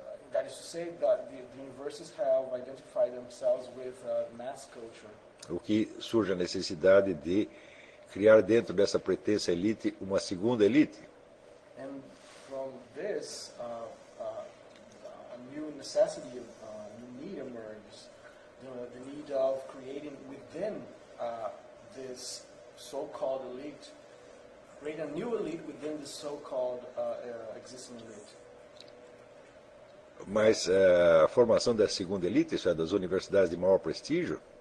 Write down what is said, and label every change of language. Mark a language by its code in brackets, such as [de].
[en] That is to say that the universities have identified themselves with mass culture. [pt] O que surge a necessidade de criar dentro dessa pretensa elite uma segunda elite. [en] And from this, a new necessity, a new need emerges. The need of creating within this so-called elite, create a new elite within the so-called existing elite. [pt] Mas a formação da segunda elite, isso é, das universidades de maior prestígio,